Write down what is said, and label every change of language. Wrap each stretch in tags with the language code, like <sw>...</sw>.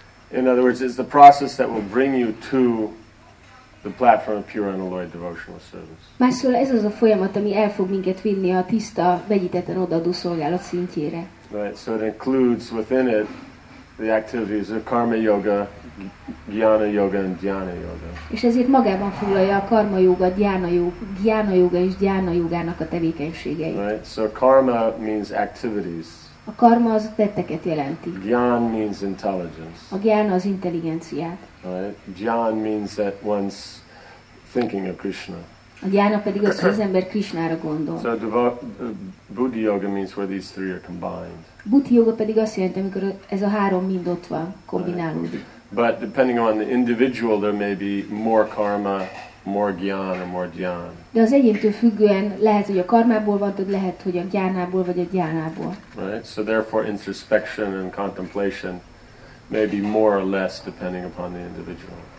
<en>In other words, it's the process that will bring you to the platform of pure unalloyed devotional service.</en> <hu>Másszor ez az a folyamat, ami el fog minket vinni a tiszta, vegyítetten odaadó szolgálat szintjére.</hu> <en>Right, so it includes within it the activities of karma yoga, Jnana yoga and Dhyana yoga.</en> <hu>És ezért magában foglalja a karma yoga, Jnana yoga és Dhyana yogának a tevékenységeit.</hu> <en>Right. So karma means activities.</en> <hu>A karma az tetteket jelenti.</hu> <en>Jnana means intelligence.</en> <hu>A Jnana az intelligenciát.</hu> <en>Right. Jnana means that one's thinking of Krishna.</en> <hu>A Jnana pedig az, hogy az ember Krishnára gondol.</hu> <en>So Buddha yoga means where these three are combined.</en> <hu>Buddha yoga pedig azt jelenti, amikor ez a három mind ott van, kombinálódik.</hu> <en>Right. But depending on the individual, there may be more karma, more jnana, or more dhyana.</en> <hu>De az egyéntől függően lehet, hogy a karmából van, vagy lehet, hogy a jnánából vagy a dhyánából.</hu> <en>Right. So therefore, introspection and contemplation may be more or less depending upon the individual.</en>